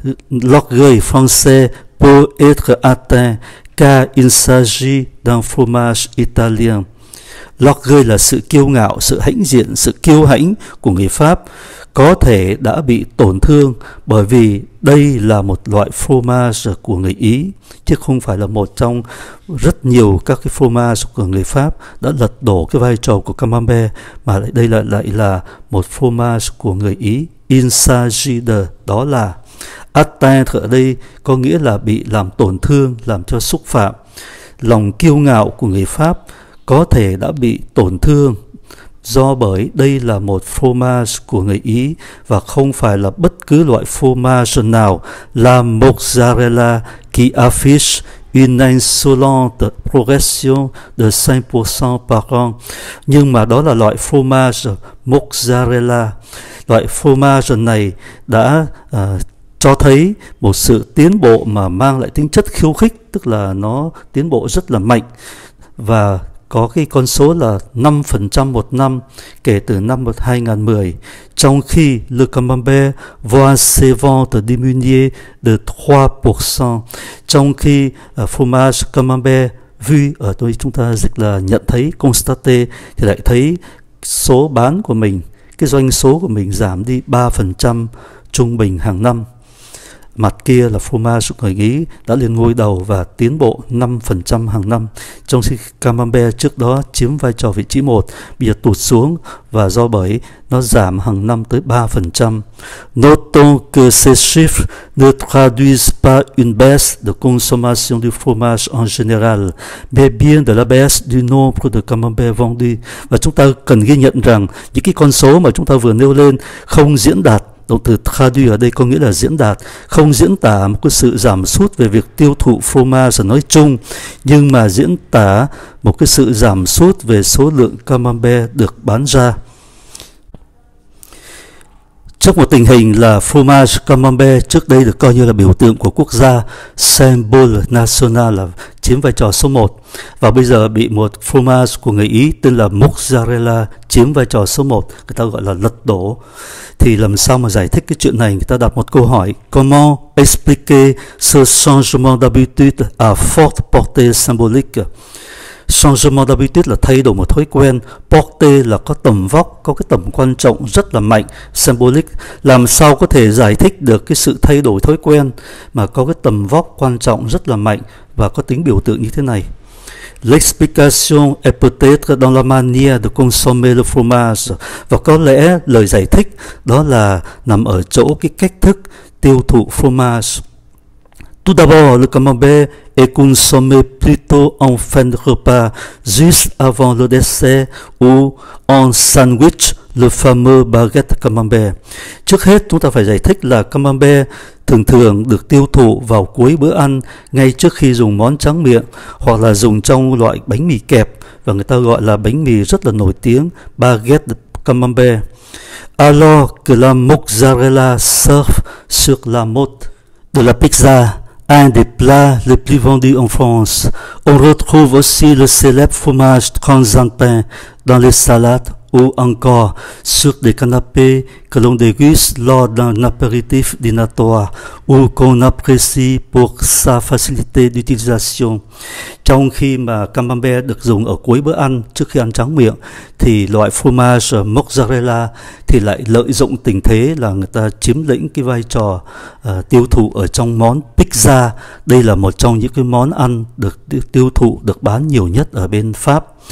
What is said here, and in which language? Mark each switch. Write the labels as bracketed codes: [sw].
[fr] L'orgueil français peut être atteint car il s'agit d'un fromage italien. [vi] L'orgueil là sự kiêu ngạo, sự hãnh diện, sự kiêu hãnh của người Pháp có thể đã bị tổn thương bởi vì đây là một loại fromage của người Ý, chứ không phải là một trong rất nhiều các cái fromage của người Pháp đã lật đổ cái vai trò của Camembert, mà lại đây lại là một fromage của người Ý. Insagida đó là atteint, ở đây có nghĩa là bị làm tổn thương, làm cho xúc phạm. Lòng kiêu ngạo của người Pháp có thể đã bị tổn thương do bởi đây là một fromage của người Ý và không phải là bất cứ loại fromage nào. [fr] La mozzarella qui affiche une insolente progression de 5% par an. [vi] Nhưng mà đó là loại fromage mozzarella. Loại fromage này đã cho thấy một sự tiến bộ mà mang lại tính chất khiêu khích, tức là nó tiến bộ rất là mạnh, và có cái con số là 5% một năm kể từ năm 2010, trong khi [fr] le camembert voit ses ventes diminuer de 3%, [vi] trong khi fromage camembert vu ở tôi chúng ta dịch là nhận thấy, constater, thì lại thấy số bán của mình, cái doanh số của mình giảm đi 3% trung bình hàng năm. Mặt kia là fromage người Ý đã lên ngôi đầu và tiến bộ 5% hàng năm, trong khi Camembert trước đó chiếm vai trò vị trí 1, bây giờ tụt xuống, và do bởi nó giảm hàng năm tới 3%. [fr] Notons que ces chiffres ne traduisent pas une baisse de consommation du fromage en général, mais bien de la baisse du nombre de camembert vendus. [vi] Và chúng ta cần ghi nhận rằng những cái con số mà chúng ta vừa nêu lên không diễn đạt. Động từ traduire ở đây có nghĩa là diễn đạt, không diễn tả một cái sự giảm sút về việc tiêu thụ fromage nói chung, nhưng mà diễn tả một cái sự giảm sút về số lượng camembert được bán ra. Trước một tình hình là fromage Camembert trước đây được coi như là biểu tượng của quốc gia, symbole national, là chiếm vai trò số 1, và bây giờ bị một fromage của người Ý tên là mozzarella chiếm vai trò số 1, người ta gọi là lật đổ. Thì làm sao mà giải thích cái chuyện này? Người ta đặt một câu hỏi: [fr] Comment expliquer ce changement d'habitude à forte portée symbolique? Changement d'habitude [vi] là thay đổi một thói quen. Porte là có tầm vóc, có cái tầm quan trọng rất là mạnh, symbolic. Làm sao có thể giải thích được cái sự thay đổi thói quen mà có cái tầm vóc quan trọng rất là mạnh và có tính biểu tượng như thế này? [fr] L'explication est peut-être dans la manière de consommer le fromage. [vi] Và có lẽ lời giải thích đó là nằm ở chỗ cái cách thức tiêu thụ fromage. [fr] Tout d'abord, le camembert est consommé plutôt en fin de repas, juste avant le dessert ou en sandwich, le fameux baguette camembert. [vi] Trước hết, chúng ta phải giải thích là camembert thường thường được tiêu thụ vào cuối bữa ăn, ngay trước khi dùng món tráng miệng, hoặc là dùng trong loại bánh mì kẹp, và người ta gọi là bánh mì rất là nổi tiếng, baguette camembert. [fr] Alors que la mozzarella serve sur la motte de la pizza, un des plats les plus vendus en France, on retrouve aussi le célèbre fromage transalpin dans les salades ou encore sur des canapés que l'on déguste lors d'un apéritif dînatoire ou qu'on apprécie pour sa facilité d'utilisation. [vi] Trong khi mà camembert được dùng ở cuối bữa ăn trước khi ăn tráng miệng, thì loại fromage mozzarella thì lại lợi dụng tình thế là người ta chiếm lĩnh cái vai trò tiêu thụ ở trong món pizza. Đây là một trong những cái món ăn được tiêu thụ, được bán nhiều nhất ở bên Pháp.